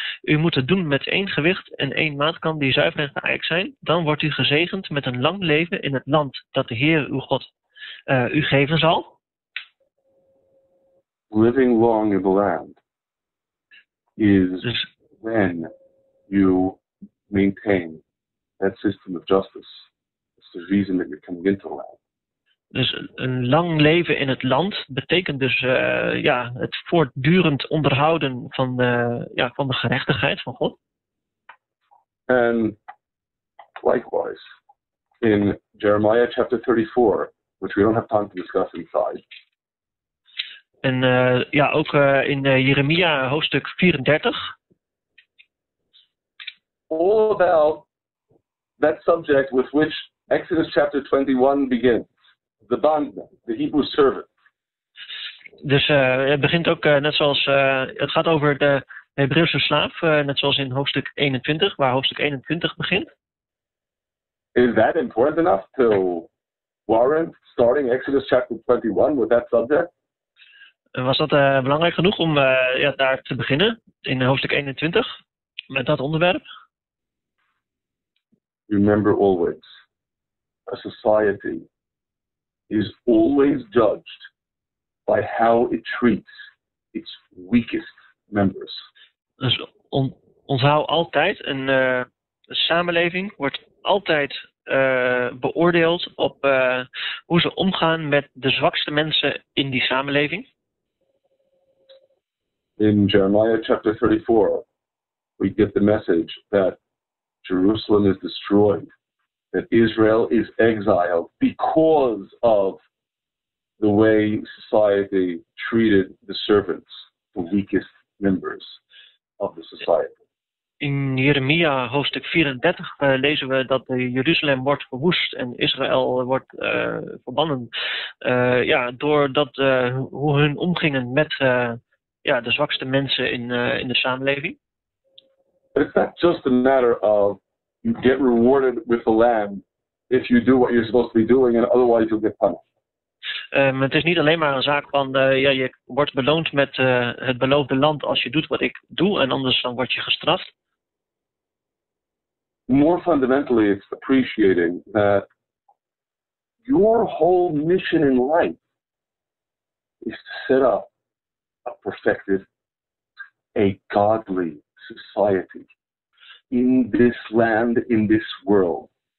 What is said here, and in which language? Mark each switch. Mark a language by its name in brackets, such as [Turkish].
[Dutch] U moet het doen met één gewicht en één maatkan die zuiver en geëikt zijn. Dan wordt u gezegend met een lang leven in het land dat de Heer uw God u geven zal. [English] Living long in the land is dus, when you maintain that system of justice. It's the reason that you're coming into the land. [Dutch] Dus een lang leven in het land betekent dus het voortdurend onderhouden van de gerechtigheid van God. [English] And likewise, in Jeremiah chapter 34, which we don't have time to discuss inside. [Dutch] En ook in Jeremia hoofdstuk 34. [English] All about that subject with which Exodus chapter 21 begins. The bondman, the Hebrew servant. [Dutch] Dus het begint ook net zoals het gaat over de Hebreeuwse slaaf, net zoals in hoofdstuk 21, waar hoofdstuk 21 begint. [English] Is that important enough to warrant starting Exodus chapter 21 with that subject? [Dutch] Was dat belangrijk genoeg om daar te beginnen in hoofdstuk 21 met dat onderwerp? [English] Remember always, a society is always judged by how it treats its weakest members. [Dutch] Dus onthoud altijd, een samenleving wordt altijd beoordeeld op hoe ze omgaan met de zwakste mensen in die samenleving. [English] In Jeremiah chapter 34, we get the message that Jerusalem is destroyed. That Israel is exiled because of the way society treated the servants, the weakest members of the society. [Dutch] In Jeremia hoofdstuk 34 lezen we dat Jeruzalem wordt verwoest en Israël wordt verbannen. Doordat hoe hun omgingen met de zwakste mensen in de samenleving. [English] But it's not just a matter of you get rewarded with the land if you do what you're supposed to be doing, and otherwise you'll get punished. [Dutch] Het is niet alleen maar een zaak van je wordt beloond met het beloofde land als je doet wat ik doe, en anders dan word je gestraft. [English] More fundamentally, it's appreciating that your whole mission in life is to set up a perfected, a godly society in this land, in this world.